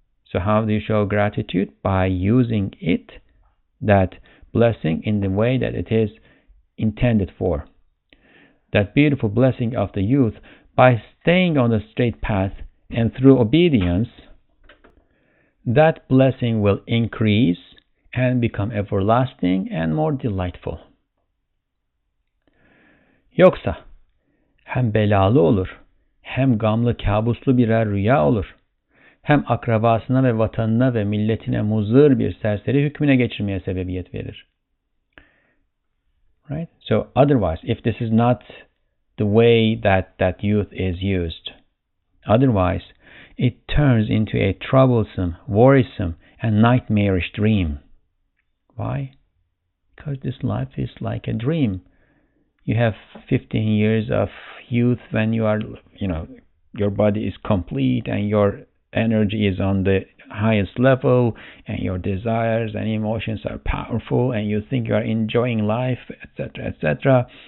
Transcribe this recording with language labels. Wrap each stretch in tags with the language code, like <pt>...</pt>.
<en>So how do you show gratitude? By using it, that blessing, in the way that it is intended for. That beautiful blessing of the youth, by staying on the straight path and through obedience, that blessing will increase and become everlasting and more delightful.</en> <tr>Yoksa hem belalı olur, hem gamlı kabuslu birer rüya olur, hem akrabasına ve vatanına ve milletine muzır bir serseri hükmüne geçirmeye sebebiyet verir.</tr> <en>Right? So otherwise, if this is not the way that youth is used, otherwise, it turns into a troublesome, worrisome, and nightmarish dream. Why? Because this life is like a dream. You have 15 years of youth when you are, you know, your body is complete and your energy is on the highest level and your desires and emotions are powerful and you think you are enjoying life, etc., etc.</en>